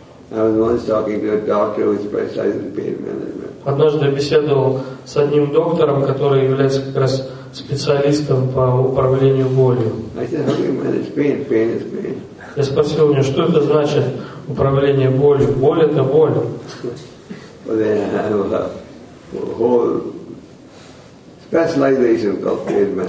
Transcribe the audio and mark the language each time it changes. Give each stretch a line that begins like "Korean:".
English: I was once talking to a doctor who specializes in pain management.
Russian: Однажды я беседовал с одним доктором, который является как раз специалистом по управлению болью.
English: I said, how do you manage pain? Pain is pain.
Russian: Я спросил у него, что это значит управление болью? Боль это боль.
English: Well, they have a whole specialization called pain management.